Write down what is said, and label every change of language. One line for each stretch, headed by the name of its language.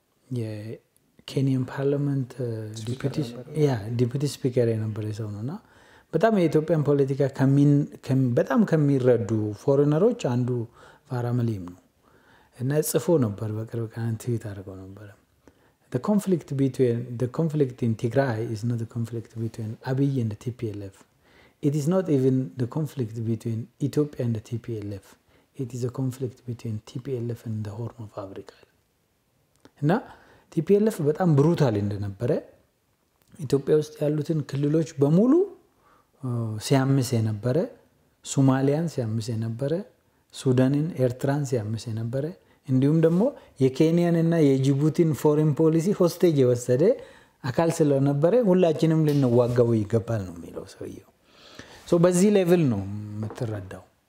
Amharic: የኬንያን ፓርላመንት ዲፒቲ ያ ዲፒቲ ስፒከር የነበረ ሰው ነውና በጣም የኢትዮጵያን ፖለቲካ በጣም ከሚረዱ ፎሬነሮች አንዱ ፋራ መሊም ነው እና ጽፎ ነበር በቅርብ ቀን ትዊት አድርጎ ነበር
English: The conflict between the conflict in Tigray is not the conflict between Abiy and the TPLF. It is not even the conflict between Ethiopia and the TPLF. It is a conflict between TPLF and the Horn of Africa.
Amharic: እና TPLF በጣም ብሩታል እንደነበረ ኢትዮጵያ ውስጥ ያሉትን ክልሎች በሙሉ ሲያምስ የነበረ ሶማሊያን ሲያምስ የነበረ ሱዳንን ኤርትራን ሲያምስ የነበረ እንዲሁም ደግሞ የኬንያን እና የጅቡቲን ፎሪን ፖሊሲ ሆስቴጅ የወሰደ አካል ስለነበረ ሁላችንም ልንዋጋው ይገባል ነው የሚለው ሰውየው። ሶ በዚህ ሌቭል ነው የምትረዳው።